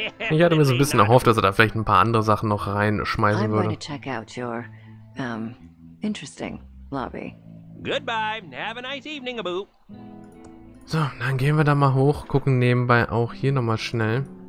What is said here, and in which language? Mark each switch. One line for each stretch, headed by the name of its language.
German: Ich hatte mir so ein bisschen erhofft, dass er da vielleicht ein paar andere Sachen noch reinschmeißen würde.
English: I'm going to check out your, interesting lobby. Goodbye. Have a nice evening, Abu.
German: So, dann gehen wir da mal hoch, gucken nebenbei auch hier nochmal schnell.